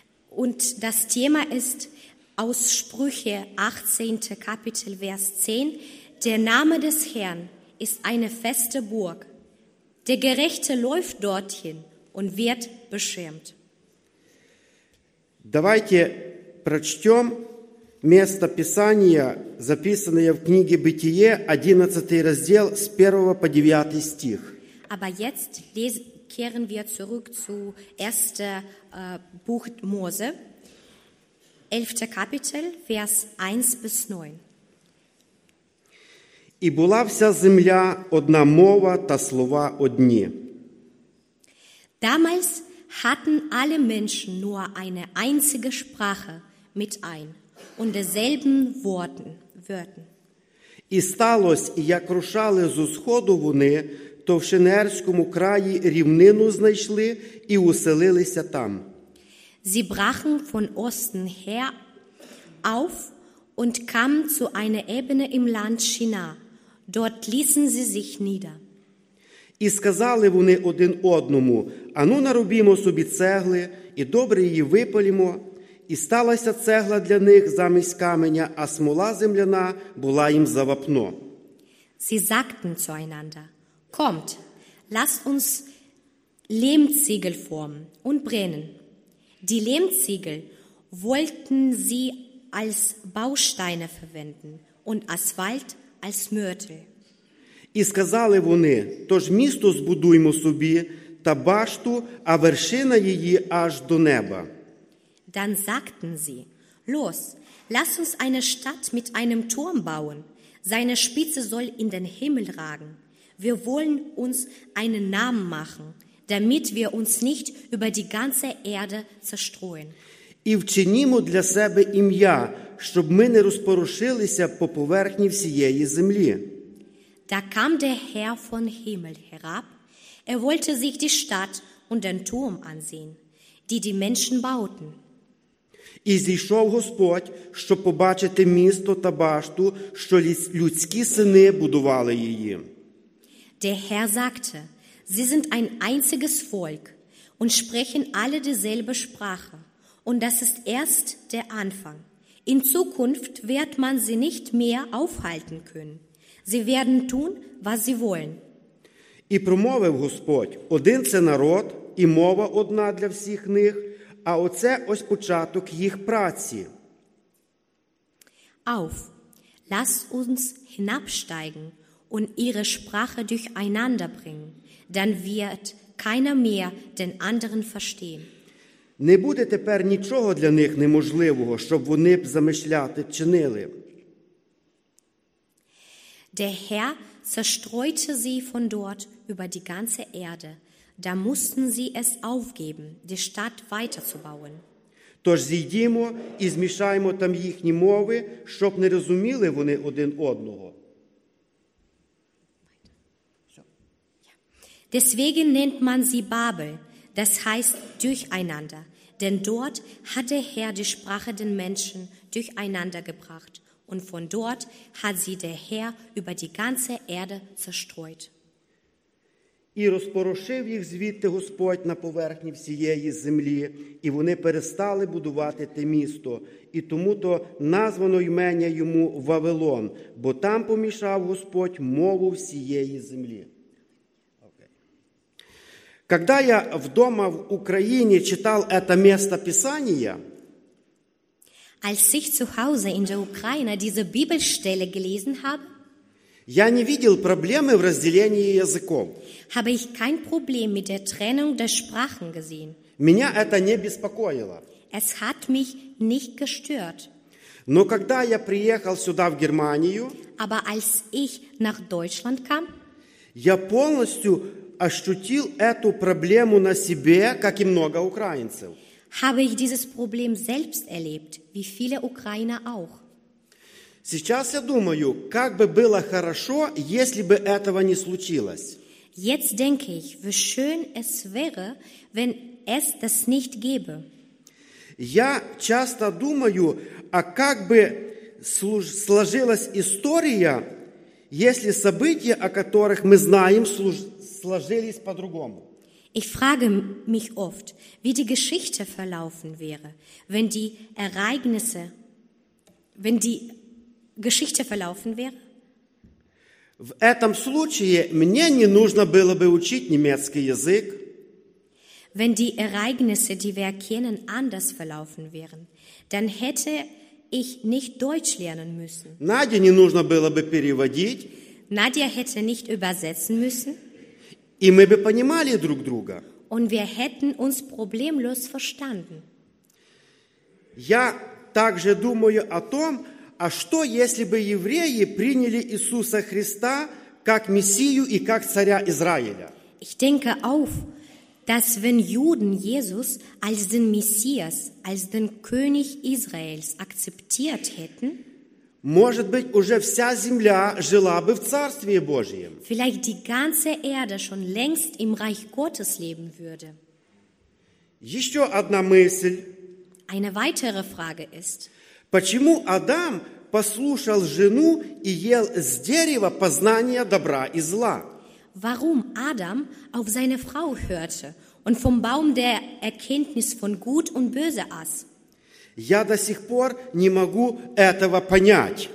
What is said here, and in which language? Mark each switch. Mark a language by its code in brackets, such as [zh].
[de] Und das Thema ist aus Sprüche 18. Kapitel, Vers 10. Der Name des Herrn ist eine feste Burg. Der Gerechte läuft dorthin und wird beschirmt. [ru] Давайте прочтем место Писания, записанное в книге Бытие, 11 раздел, с 1 по 9 стих. [de] Aber jetzt kehren wir zurück zu 1. Buch Mose, 11. Kapitel, Vers 1 bis 9. [uk] «И была вся земля одна мова та слова одні». [de] Damals hatten alle Menschen nur eine einzige Sprache mit ein und derselben Worten. [uk] «И сталося, як рушали зо сходу вони, то в Шинерському краї рівнину знайшли і уселилися там». [de] Sie brachen von Osten her auf und kamen zu einer Ebene im Land Shinar. Dort ließen sie sich nieder. [uk] І сказали вони один одному: «Ану нарубімо собі цегли і добре її випалімо». І сталася цегла для них замість каменя, а смола земляна була їм за вапно. [de] Sie sagten zueinander: «Kommt, lasst uns Lehmziegel formen und brennen». Die Lehmziegel wollten sie als Bausteine verwenden und Asphalt als Mörtel. [uk] І сказали вони: «Тож місто збудуймо собі та башту, а вершина її аж до неба». [de] Dann sagten sie: «Los, lass uns eine Stadt mit einem Turm bauen. Seine Spitze soll in den Himmel ragen. Wir wollen uns einen Namen machen, damit wir uns nicht über die ganze Erde zerstreuen». [uk] І вчинімо для себе ім'я, щоб ми не розпорушилися по поверхні всієї землі. [de] Da kam der Herr von Himmel herab. Er wollte sich die Stadt und den Turm ansehen, die die Menschen bauten. [uk] І зійшов Господь, щоб побачити місто та башту, що людські сини будували її. [de] Der Herr sagte: «Sie sind ein einziges Volk und sprechen alle dieselbe Sprache. Und das ist erst der Anfang. In Zukunft wird man sie nicht mehr aufhalten können. Sie werden tun, was sie wollen». [uk] І промовив Господь: «Один – це народ, і мова одна для всіх них, а оце ось початок їх праці». [de] Auf, lass uns hinabsteigen und ihre Sprache durcheinander bringen. Dann wird keiner mehr den anderen verstehen. [uk] Не буде тепер нічого для них неможливого, щоб вони б замишляти чинили. [de] Der Herr zerstreute sie von dort über die ganze Erde. Da mussten sie es aufgeben, die Stadt weiterzubauen. [uk] Тож зійдімо і змішаємо там їхні мови, щоб не розуміли вони один одного. [de] Deswegen nennt man sie Babel, das heißt durcheinander. Denn dort hat der Herr die Sprache den Menschen durcheinander gebracht. Und von dort hat sie der Herr über die ganze Erde zerstreut. [uk] І розпорошив їх звідти Господь на поверхні всієї землі, і вони перестали будувати те місто. І тому-то названо ім'я йому Вавилон, бо там помішав Господь мову всієї землі. Когда я вдома в Україні читав це місце Писання, [de] als ich zu Hause in der Ukraine diese Bibelstelle gelesen habe, [uk] я не видел проблеми в розділенні язиком. [de] Habe ich kein Problem mit der Trennung der Sprachen gesehen. [ru] Меня это не беспокоило. [de] Es hat mich nicht gestört. [ru] Но когда я приехал сюда, в Германию, [de] aber als ich nach Deutschland kam, [ru] я полностью ощутил эту проблему на себе, как и много украинцев. [de] Habe ich dieses Problem selbst erlebt, wie viele Ukrainer auch. [ru] Сейчас я думаю, как бы было хорошо, если бы этого не случилось. [de] Jetzt denke ich, wie schön es wäre, wenn es das nicht gäbe. [ru] Я часто думаю, а как бы сложилась история, если события, о которых мы знаем, сложились по-другому. [de] Ich frage mich oft, wie die Geschichte verlaufen wäre, wenn die Ereignisse, wenn die Geschichte verlaufen wäre. [ru] В этом случае мне не нужно было бы учить немецкий язык. [de] Wenn die Ereignisse, die wir erkennen, anders verlaufen wären, dann hätte ich nicht Deutsch lernen müssen. [ru] Nadja, не нужно было бы переводить. [de] Nadja hätte nicht übersetzen müssen. [ru] И мы бы понимали друг друга. [de] Und wir hätten uns problemlos verstanden. [ru] Я также думаю о том, а что, если бы евреи приняли Иисуса Христа как Мессию и как Царя Израиля? [de] Ich denke auch, dass wenn Juden Jesus als den Messias, als den König Israels akzeptiert hätten, [ru] может быть, уже вся земля жила бы в Царстве Божьем. [de] Vielleicht die ganze Erde schon längst im Reich Gottes leben würde. [ru] Еще одна мысль. [de] Eine weitere Frage ist, [ru] почему Адам послушал жену и ел с дерева познания добра и зла? [de] Warum Adam auf seine Frau hörte und vom Baum der Erkenntnis von Gut und Böse aß. [ru] Я до сих пор не могу этого понять.